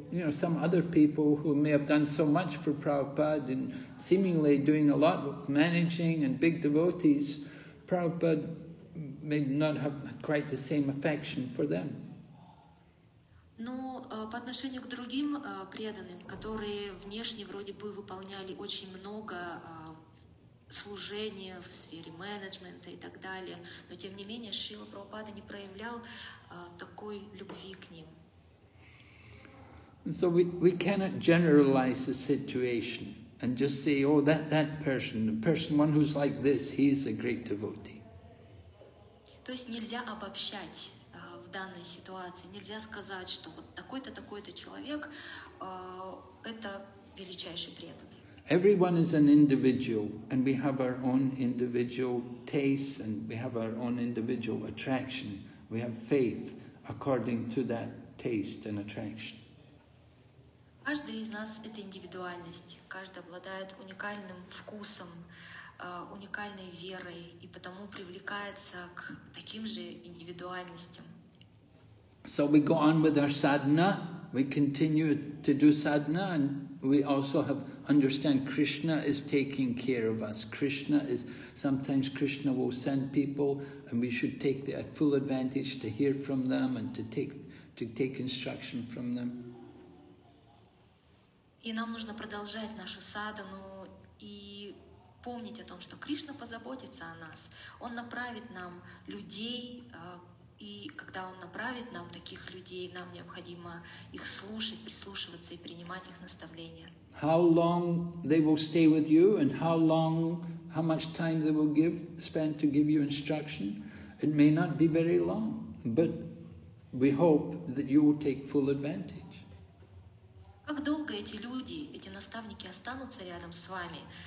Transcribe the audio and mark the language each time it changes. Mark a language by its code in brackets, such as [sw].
[en] You know, some other people who may have done so much for Prabhupada and seemingly doing a lot of managing and big devotees, Prabhupada may not have quite the same affection for them. [ru] Но по отношению к другим преданным, которые внешне вроде бы выполняли очень много служения в сфере менеджмента и так далее, но тем не менее Шрила Прабхупада не проявлял такой любви к ним. [en] So we cannot generalize the situation and just say, oh, that person, the person one who's like this, he's a great devotee. [ru] То есть нельзя обобщать в данной ситуации, нельзя сказать, что вот такой-то, такой-то человек это величайший преданный. [en] Everyone is an individual, and we have our own individual tastes, and we have our own individual attraction. We have faith according to that taste and attraction. [ru] Каждый из нас — это индивидуальность. Каждый обладает уникальным вкусом, уникальной верой и потому привлекается к таким же индивидуальностям. [en] So we go on with our sadhana, we continue to do sadhana, and we also have understand Krishna is taking care of us. Krishna is, sometimes Krishna will send people and we should take the full advantage to hear from them and to take instruction from them. [ru] И нам нужно продолжать нашу садхану и помнить о том, что Кришна позаботится о нас. Он направит нам людей, и когда Он направит нам таких людей, нам необходимо их слушать, прислушиваться и принимать их наставления. [en] How long they will stay with you and how much time they will spend to give you instruction, it may not be very long, but we hope that you will take full advantage. [ru] Как долго эти люди, эти наставники останутся рядом с вами?